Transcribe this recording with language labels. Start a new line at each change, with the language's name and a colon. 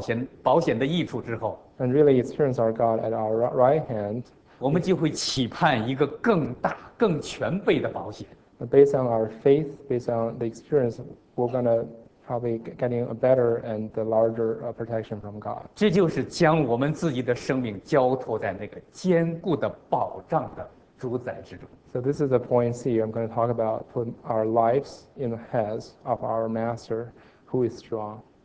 Chinese: 当我们得着那信心的力量，尝到那属灵生命保险的益处之后
English: ，And really experience our God at our right hand，
Chinese: 我们就会期盼一个更大、更全备的保险。
English: Based on our faith, based on the experience, we're gonna probably getting a better and the larger protection from God.
Chinese: 这就是将我们自己的生命交托在那个坚固的保障的主宰之中。
English: So this is the point C. I'm going to talk about put our lives in the hands of our Master, who is strong.